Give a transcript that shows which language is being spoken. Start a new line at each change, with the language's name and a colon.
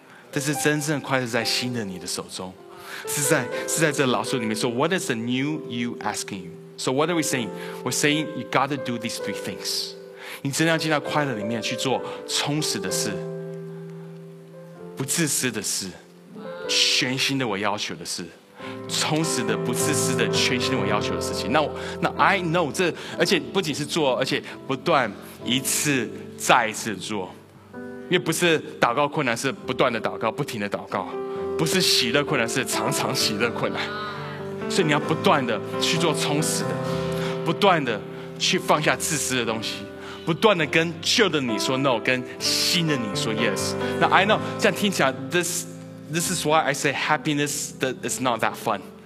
Chinese: 但是真正快乐在新的你的手中，是在这饶恕里面。
English: So what is the new you asking you? So what are we saying? We're saying you got to do these three things.
Chinese: 你真的要进到快乐里面去做充实的事，不自私的事，全新的我要求的事。充实的，不自私的，全心我要求的事情。那
English: I know
Chinese: 这，而且不仅是做，而且不断一次再一次做。因为不是祷告困难，是不断的祷告，不停的祷告。不是喜乐困难，是常常喜乐困难。所以你要不断的去做充实的，不断的去放下自私的东西，不断的跟旧的你说 no， 跟新的你说 yes。
English: 那 I know
Chinese: 这样听起来
English: This is why I say happiness is not that fun.